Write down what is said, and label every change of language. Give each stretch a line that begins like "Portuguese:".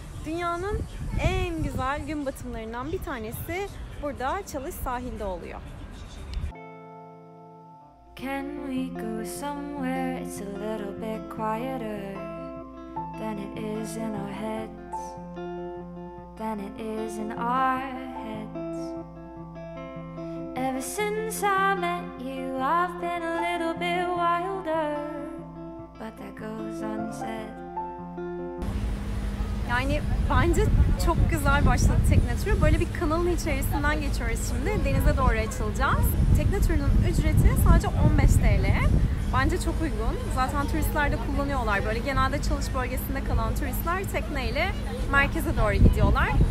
Turkish: Dünyanın en güzel gün batımlarından bir tanesi burada Çalış sahilde oluyor.
English: Can we go somewhere? It's a little bit quieter than it is in our heads, than it is in our heads. Ever since I met you, I've been a little bit wilder, but that goes unsaid.
Turkish: Yani bence çok güzel başladı tekne turu. Böyle bir kanalın içerisinden geçiyoruz şimdi. Denize doğru açılacağız. Tekne turunun ücreti sadece 15 TL. Bence çok uygun. Zaten turistler de kullanıyorlar. Böyle genelde Çalış bölgesinde kalan turistler tekneyle merkeze doğru gidiyorlar.